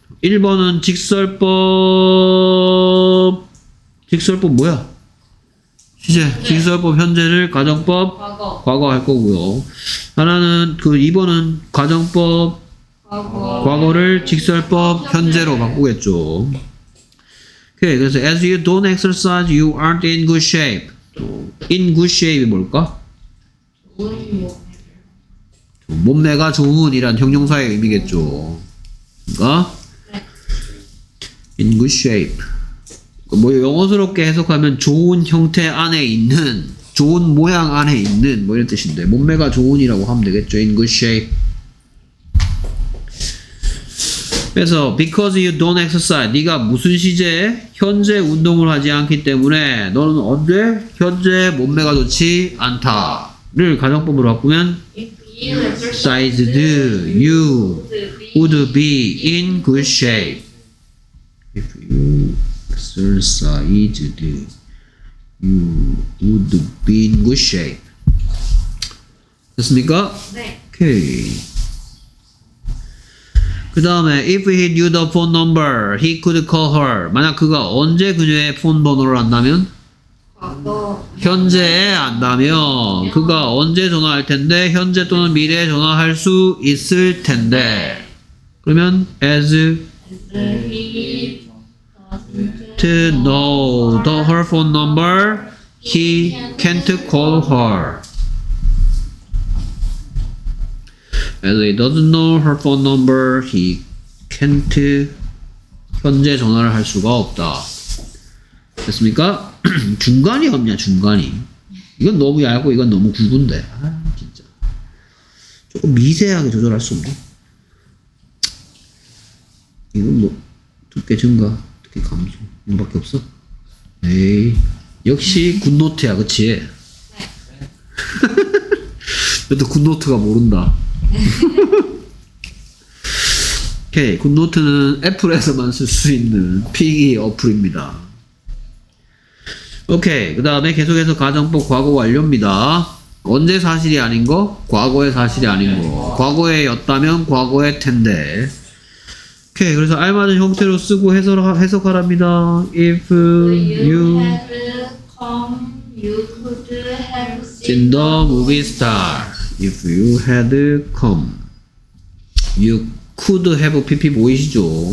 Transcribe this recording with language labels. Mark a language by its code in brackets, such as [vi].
[ko] 1번은 직설법. 직설법 뭐야? 이제 직설법 현재를 가정법 과거 할 거고요. 하나는 그 2번은 가정법 과거를 직설법 현재로 바꾸겠죠. 오케이. 그래서 [en] as you don't exercise you aren't in good shape. in good shape [ko] 이 뭘까? 좋은 몸매가 좋은 이란 형용사의 의미겠죠. 그러니까 [en] in good shape [ko] 뭐 영어스럽게 해석하면 좋은 형태 안에 있는 좋은 모양 안에 있는 뭐 이런 뜻인데 몸매가 좋은이라고 하면 되겠죠. [en] In good shape. [ko] 그래서 [en] because you don't exercise [ko] 네가 무슨 시제에 현재 운동을 하지 않기 때문에 너는 언제? 현재 몸매가 좋지 않다 를 가정법으로 바꾸면 [en] sized you would be in good shape if you exercised you would be in good shape. [ko] 됐습니까? 네. 오케이. 그 다음에 [en] if he knew the phone number he could call her. [ko] 만약 그가 언제 그녀의 폰 번호를 안다면? 현재에 안다면 그가 언제 전화할 텐데 현재 또는 미래에 전화할 수 있을 텐데. [en] 그러면 as to know the her phone number, he can't call her. As he doesn't know her phone number, he can't [ko] 현재 전화를 할 수가 없다. 됐습니까? 중간이 없냐, 중간이. 이건 너무 얇고 이건 너무 굵은데. 아, 진짜. 조금 미세하게 조절할 수 없네. 이건 뭐, 두께 증가, 두께 감소. 이거밖에 없어? 에이. 역시 굿노트야, 그치? 네. 그래도 굿노트가 모른다. 오케이, 굿노트는 애플에서만 쓸 수 있는 PE 어플입니다. 오케이, 그 다음에 계속해서 가정법 과거 완료입니다. 언제 사실이 아닌 거? 과거의 사실이 아닌 거. 과거에였다면 과거의 텐데. 오케이, 그래서 알맞은 형태로 쓰고 해석하랍니다. [en] If you come, you could have seen the movie star. If you had come, you could have PP [ko] 보이시죠?